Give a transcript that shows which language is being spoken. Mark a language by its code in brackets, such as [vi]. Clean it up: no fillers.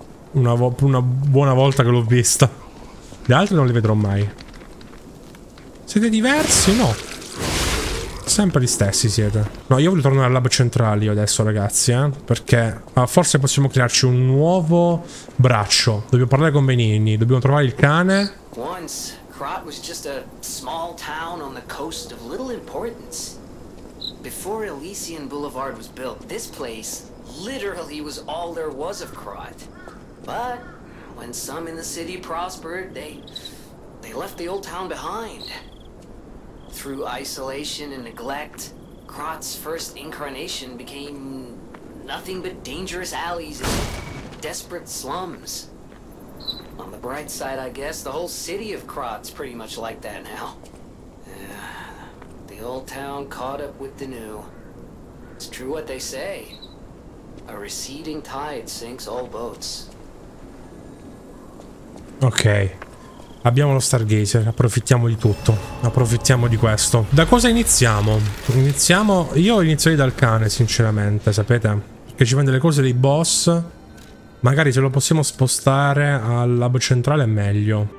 [it] Una buona volta che l'ho vista. Gli altri non li vedrò mai. Siete diversi? No. Sempre gli stessi siete. No, io voglio tornare al lab centrale io adesso, ragazzi, eh. Perché forse possiamo crearci un nuovo braccio. Dobbiamo parlare con Benigni. Dobbiamo trovare il cane. [en] Once, Krat was just a small town on the coast of little importance. Before Elysian Boulevard was built, this place literally was all there was of Krat. But when some in the city prospered, they left the old town behind. Through isolation and neglect, Krat's first incarnation became nothing but dangerous alleys and desperate slums. On the bright side, I guess, the whole city of Krat's pretty much like that now. The old town caught up with the new. It's true what they say. A receding tide sinks all boats. Okay. [it] Abbiamo lo Stargazer, approfittiamo di tutto. Approfittiamo di questo. Da cosa iniziamo? Iniziamo... Io inizierei dal cane, sinceramente, sapete? Perché ci vende le cose dei boss. Magari se lo possiamo spostare al lab centrale è meglio.